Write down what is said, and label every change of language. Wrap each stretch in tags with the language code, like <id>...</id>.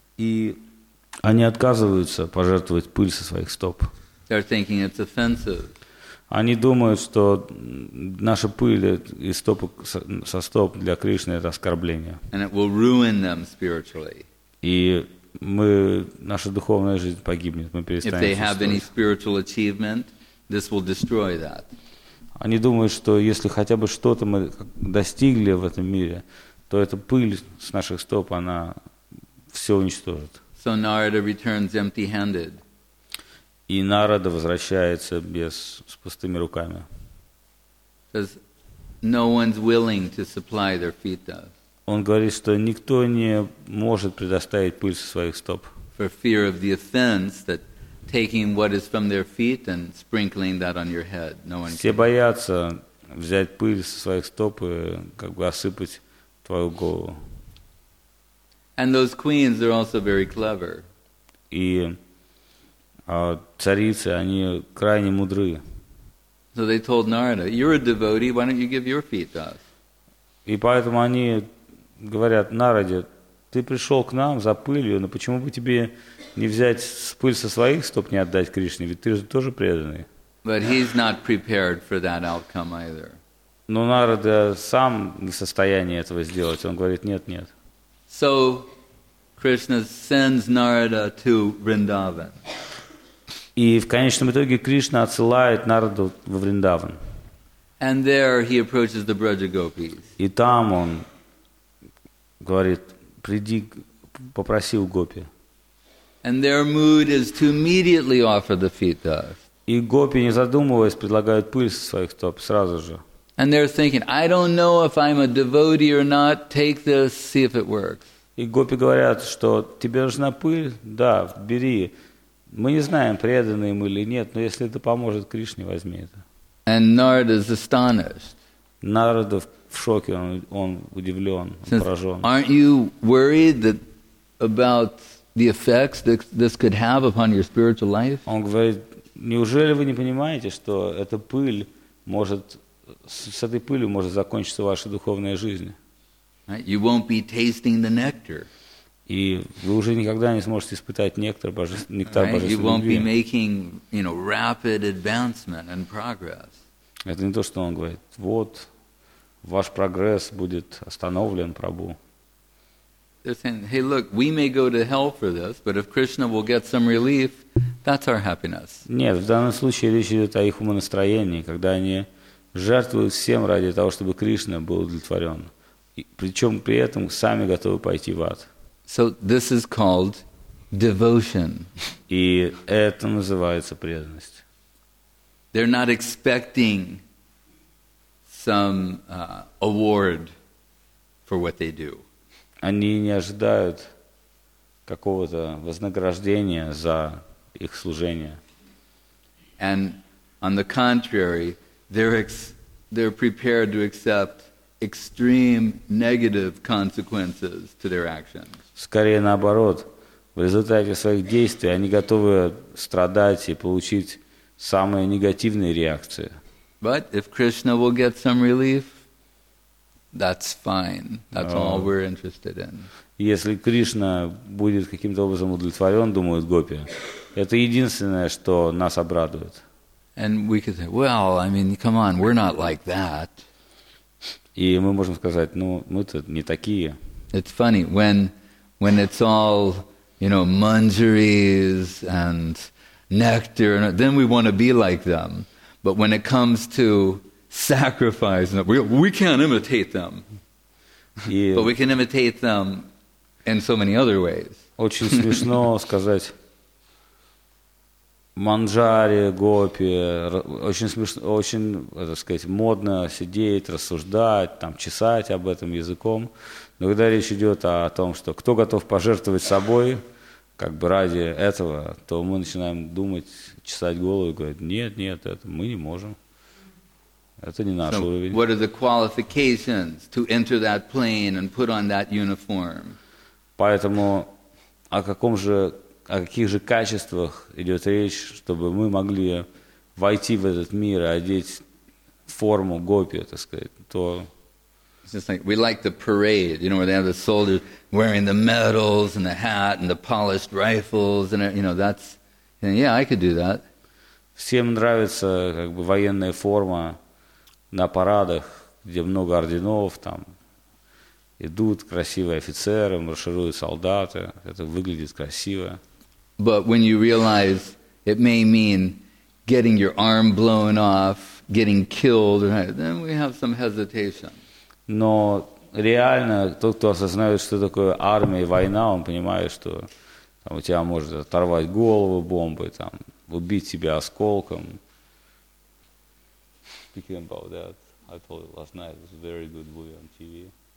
<ru>И они отказываются пожертвовать пыль со своих стоп.</ru> <en>They're thinking it's offensive.</en> <ru>Они думают, что наша пыль из стопа со стоп для Кришны это оскорбление.</ru> <en>And it will ruin them spiritually.</en> <ru>И мы, наша духовная жизнь погибнет, мы перестанем.</ru> <en>If they have any spiritual achievement, this will destroy that.</en> <ru>Они думают, что если хотя бы что-то мы достигли в этом мире, то эта пыль с наших стоп, она все уничтожит.</ru> <en>So Narada returns empty-handed.</en> <ru>И Нарада возвращается без, с пустыми руками.</ru> <en>Because no one's willing to supply their feet though.</en> <ru>Он говорит, что никто не может предоставить пыль со своих стоп.</ru> <en>For fear of the offense that taking what is from their feet and sprinkling that on your head, no one can.</en> <ru>Все боятся взять пыль со своих стоп и как бы осыпать твою голову.</ru> <en>And those queens are also very clever.</en> <ru>И царицы, они крайне мудры.</ru> <en>So they told Narada, you're a devotee, why don't you give your feet to us?</en> <ru>И поэтому они говорят, Нараде, ты пришел к нам за пылью, но почему бы тебе не взять пыль со своих стоп, не отдать Кришне, ведь ты же тоже преданный.</ru> <en>But he's not prepared for that outcome either.</en> <ru>Но Нарада сам не в состоянии этого сделать. Он говорит, нет.</ru> <en>So Krishna sends Narada to Vrindavan.</en> <ru>И в конечном итоге Кришна отсылает Нараду во Вриндаван.</ru> <en>And there he approaches the Brajagopis.</en> <ru>И там он говорит, приди, попроси у гопи.</ru> <en>And their mood is to immediately offer the feet dust.</en> <ru>И гопи, не задумываясь, предлагают пыль со своих стоп сразу же.</ru> <en>And they're thinking, I don't know if I'm a devotee or not. Take this, see if it works.</en> <ru>И гопи говорят, что тебе нужна пыль? Да, бери. Мы не знаем, преданы ему или нет, но если это поможет Кришне, возьми это.</ru> <en>And Narada is astonished.</en> <ru>Нарада в шоке, он удивлен, он поражен.</ru> <en>Aren't you worried that about the effects that this could have upon your spiritual life?</en> <ru>Он говорит, неужели вы не понимаете, что эта пыль может, с этой пылью может закончиться ваша духовная жизнь?</ru> <en>You won't be tasting the nectar.</en> <ru>И вы уже никогда не сможете испытать нектар божественной любви.</ru> <en>You won't be making, you know, rapid advancement and progress.</en> <ru>Это не то, что он говорит. Вот, ваш прогресс будет остановлен, Прабу.</ru> <en>They're saying, hey, look, we may go to hell for this, but if Krishna will get some relief, that's our happiness.</en> <ru>Нет, в данном случае речь идет о их умонастроении, когда они жертвуют всем ради того, чтобы Кришна был удовлетворен. Причем при этом сами готовы пойти в ад.</ru> <en>So this is called devotion.</en> <ru>И это называется преданность.</ru> <en>They're not expecting some award for what they do.</en> <ru>Они не ожидают какого-то вознаграждения за их служение.</ru> <en>And on the contrary, they're prepared to accept extreme negative consequences to their actions.</en> <ru>Скорее наоборот, в результате своих действий они готовы страдать и получить самые негативные реакции.</ru> <en>But if Krishna will get some relief, that's fine. That's all we're interested in.</en> <ru>Если Кришна будет каким-то образом удовлетворен, думают гопи, это единственное, что нас обрадует.</ru> <en>And we could say, well, I mean, come on, we're not like that.</en> <ru>И мы можем сказать, ну, мы-то не такие.</ru> <en>It's funny, when it's all, you know, manjaris and nectar, then we want to be like them. But when it comes to sacrifice, we can't imitate them. Yeah. But we can imitate them in so many other ways.</en> <ru>Очень смешно сказать манджари, гопи. Очень смешно, очень, так сказать, модно сидеть, рассуждать, там, чесать об этом языком. Но когда речь идет о том, что кто готов пожертвовать собой, как бы ради этого, то мы начинаем думать, чесать голову и говорить, нет, это мы не можем. Это не наш уровень.</ru> <en>So what are the qualifications to enter that plane and put on that uniform?</en> <ru>Поэтому о каких же качествах идет речь, чтобы мы могли войти в этот мир и одеть форму гопи, так сказать, то...</ru> <en>It's just like we like the parade, you know, where they have the soldiers wearing the medals and the hat and the polished rifles, and you know, that's, and yeah, I could do that.</en> <ru>Всем нравится как бы военная форма на парадах, где много орденов, там идут красивые офицеры, маршируют солдаты. Это выглядит красиво.</ru> <en>But when you realize it may mean getting your arm blown off, getting killed, then we have some hesitation.</en> <ru>Но реально тот, кто осознает, что такое армия и война, он понимает, что там, у тебя может оторвать голову бомбой, там, убить тебя осколком.</ru> <en>Speaking about that, I told you last night, it was a very good movie on TV.</en>